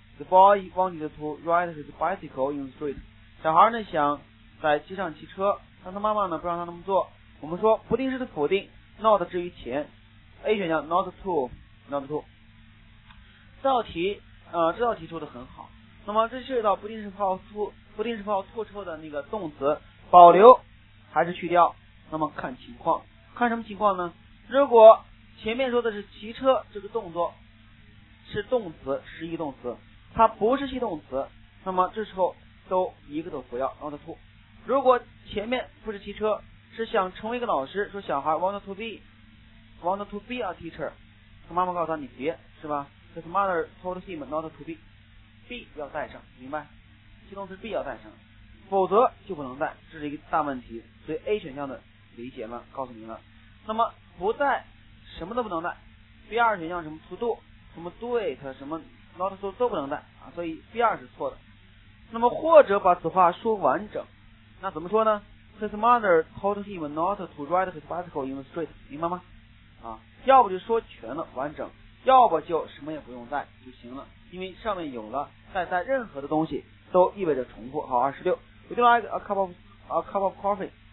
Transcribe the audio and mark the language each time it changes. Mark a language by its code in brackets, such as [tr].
[en] The boy wanted to ride his bicycle in the street。 [zh] 小孩呢想在街上骑车，但他妈妈呢不让他那么做。我们说不定式的否定 ，not 置于前。 A 选项 not to。这道题做得很好。那么这涉及到不定式符号 to 之后的那个动词保留还是去掉，那么看情况，看什么情况呢？如果前面说的是骑车，这个动作是动词，实义动词，它不是系动词，那么这时候都一个都不要 not to。如果前面不是骑车，是想成为一个老师，说小孩 [en] want to be a teacher， [zh] 他妈妈告诉他你别，是吧？ [en] His mother told him not to be [zh] 要带上，明白？系动词 be 要带上，否则就不能带，这是一个大问题。所以 A 选项的理解呢，告诉您了。那么不带什么都不能带， B 二选项什么 to do 什么 do it 什么 not to 都不能带啊，所以 B 二是错的。那么或者把此话说完整，那怎么说呢？ [en] His mother told him not to ride his bicycle in the street， [zh] 明白吗？啊，要不就说全了完整，要不就什么也不用带就行了，因为上面有了再带任何的东西都意味着重复。好， [en] 26 Would you like a cup of coffee？